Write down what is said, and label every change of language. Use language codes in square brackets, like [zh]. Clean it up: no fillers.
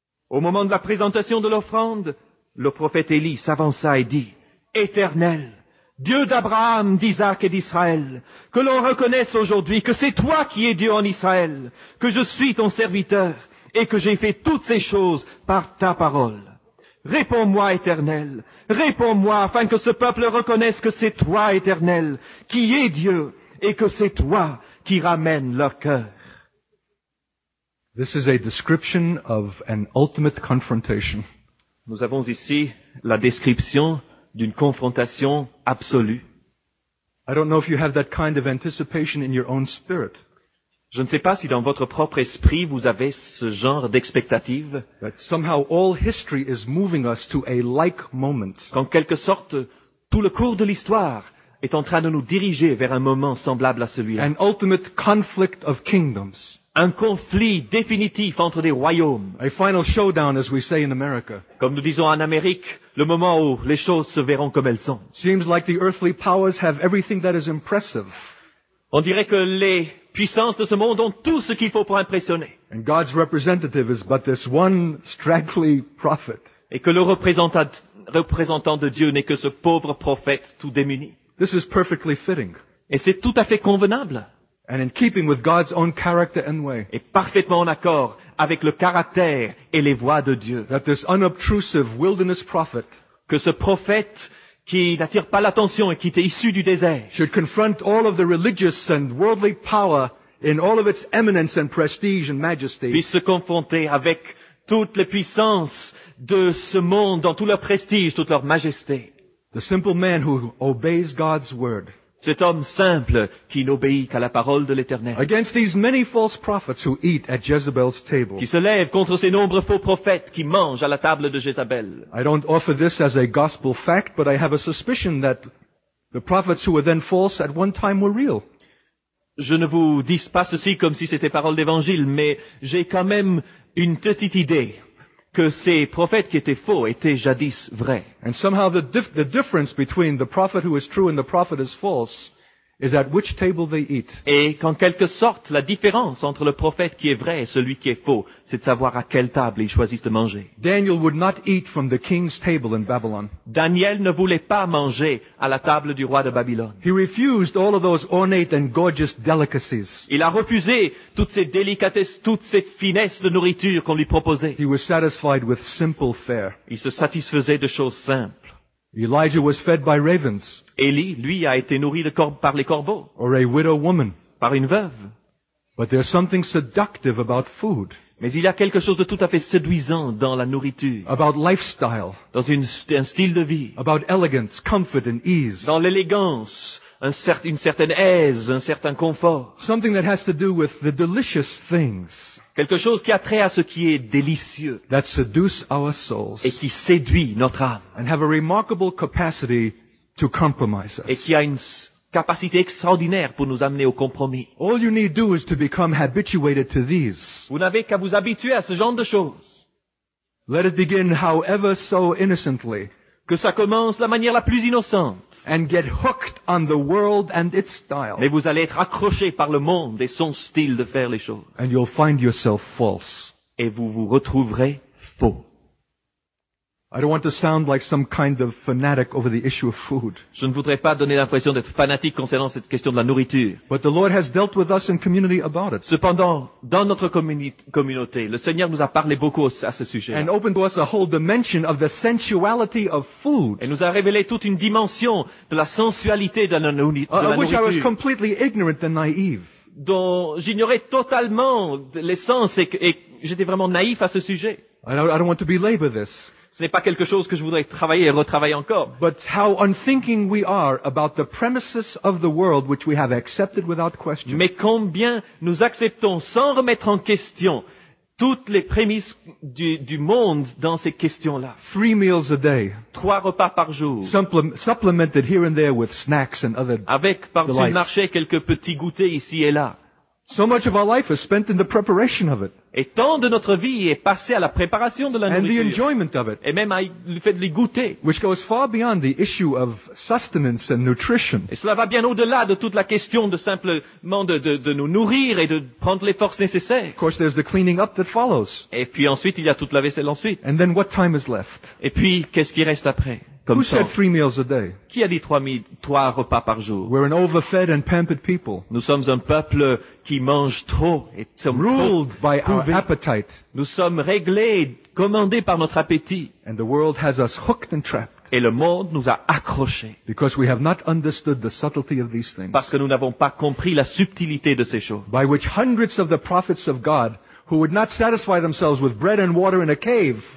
[fr] Au moment de la présentation de l'offrande, le prophète Élie s'avança et dit, « Éternel, Dieu d'Abraham, d'Isaac et d'Israël, que l'on reconnaisse aujourd'hui que c'est toi qui es Dieu en Israël, que je suis ton serviteur, et que j'ai fait toutes ces choses par ta parole. » « Réponds-moi, Éternel, réponds-moi, afin que ce peuple reconnaisse que c'est toi, Éternel, qui es Dieu, et que c'est toi qui ramènes leur cœur. » [en] This is a description of an ultimate confrontation. [fr] Nous avons ici la description d'une confrontation absolue. [en] I don't know if you have that kind of anticipation in your own spirit. [fr] Je ne sais pas si dans votre propre esprit vous avez ce genre d'expectative. Qu'en quelque sorte, tout le cours de l'histoire est en train de nous diriger vers un moment semblable à celui-là. [en] An ultimate conflict of kingdoms. [fr] Un conflit définitif entre des royaumes. [en] A final showdown, as we say in America. [fr] Comme nous disons en Amérique, le moment où les choses se verront comme elles sont. [en] Seems like the earthly powers have everything that is impressive. [fr] On dirait que les puissances de ce monde ont tout ce qu'il faut pour impressionner. [en] And God's representative is but this one straggly prophet. [fr] Et que le représentant de Dieu n'est que ce pauvre prophète tout démuni. [en] This is perfectly fitting. [fr] Et c'est tout à fait convenable. [en] And in keeping with God's own character and way. [fr] Et parfaitement en accord avec le caractère et les voies de Dieu. [en] That this unobtrusive wilderness prophet. [fr] Que ce prophète qui n'attire pas l'attention et qui était issu du désert. [en] Should confront all of the religious and worldly power in all of its eminence and prestige and majesty. [fr] Puisse se confronter avec toutes les puissances de ce monde dans tout leur prestige, toute leur majesté. [en] The simple man who obeys God's word. [fr] Cet homme simple qui n'obéit qu'à la parole de l'Éternel. [en] Against these many false prophets who eat at Jezebel's table. [fr] Qui se lève contre ces nombreux faux prophètes qui mangent à la table de Jézabel. [en] I don't offer this as a gospel fact, but I have a suspicion that the prophets who were then false at one time were real. [fr] Je ne vous dis pas ceci comme si c'était parole d'évangile, mais j'ai quand même une petite idée que ces prophètes qui étaient faux étaient jadis vrais. [en] And somehow the difference between the prophet who is true and the prophet is false is at which table they eat. [fr] Et qu'en quelque sorte, la différence entre le prophète qui est vrai et celui qui est faux, c'est de savoir à quelle table ils choisissent de manger. [en] Daniel would not eat from the king's table in Babylon. [fr] Daniel ne voulait pas manger à la table du roi de Babylone. [en] He refused all of those ornate and gorgeous delicacies. [fr] Il a refusé toutes ces délicatesses, toutes ces finesses de nourriture qu'on lui proposait. [en] He was satisfied with simple fare. [fr] Il se satisfaisait de choses simples. [en] Elijah was fed by ravens. [fr] Élie, lui, a été nourri de par les corbeaux. [en] Or a widow woman. [fr] Par une veuve. [en] But there's something seductive about food. [fr] Mais il y a quelque chose de tout à fait séduisant dans la nourriture. [en] About lifestyle. [fr] Dans un style de vie. [en] About elegance, comfort and ease. [fr] Dans l'élégance, une certaine aise, un certain confort. [en] Something that has to do with the delicious things. [fr] Quelque chose qui a trait à ce qui est délicieux. [en] That seduce our souls. [fr] Et qui séduit notre âme. [en] And have a remarkable capacity to compromise us. [fr] Et qui a une capacité extraordinaire pour nous amener au compromis. [en] All you need to do is to become habituated to these. [fr] Vous n'avez qu'à vous habituer à ce genre de choses. [en] Let it begin however so innocently. [fr] Que ça commence de la manière la plus innocente. [en] And get hooked on the world and its style. [fr] Mais vous allez être accroché par le monde et son style de faire les choses. [en] And you'll find yourself false. [fr] Et vous vous retrouverez faux. [en] I don't want to sound like some kind of fanatic over the issue of food. [fr] Je ne voudrais pas donner l'impression d'être fanatique concernant cette question de la nourriture. [en] But the Lord has dealt with us in community about it. [fr] Cependant, dans notre communauté, le Seigneur nous a parlé beaucoup à ce sujet. [en] And opened to us a whole dimension of the sensuality of food. [fr] Et nous a révélé toute une dimension de la sensualité de la nourriture. [en] Of which I was completely ignorant and naive. [fr] Dont j'ignorais totalement l'essence et j'étais vraiment naïf à ce sujet. [en] I don't want to belabor this. [fr] Ce n'est pas quelque chose que je voudrais travailler et retravailler encore. [en] But how unthinking we are about the premises of the world which we have accepted without question. [fr] Mais combien nous acceptons sans remettre en question toutes les prémices du monde dans ces questions-là. [en] Three meals a day. [fr] Trois repas par jour. [en] Supplemented here and there with snacks and other delights. [fr] Avec par-dessus le marché quelques petits goûters ici et là. [en] So much of our life is spent in the preparation of it. [fr] Et tant de notre vie est passé à la préparation de la nourriture. [en] And the enjoyment of it. [fr] Et même à le fait de les goûter. [en] Which goes far beyond the issue of sustenance and nutrition. [fr] Et cela va bien au-delà de toute la question de simplement de nous nourrir et de prendre les forces nécessaires. [en] Of course, there's the cleaning up that follows. [fr] Et puis ensuite, il y a toute la vaisselle ensuite. [en] And then what time is left? [fr] Et puis, qu'est-ce qui reste après? [en] Who said three meals a day? [fr] Qui a dit trois repas par jour? [en] We're an overfed and pampered people. [fr] Nous sommes un peuple qui mange trop et sommes [en] ruled [fr] trop [en] by our appetite. [fr] Nous sommes réglés, commandés par notre appétit. [en] And the world has us hooked and trapped. [fr] Et le monde nous a accrochés. [en] Because we have not understood the subtlety of these things. [fr] Parce que nous n'avons pas compris la subtilité de ces choses. [en] By which hundreds of the prophets of God who would not satisfy themselves with bread and water in a cave.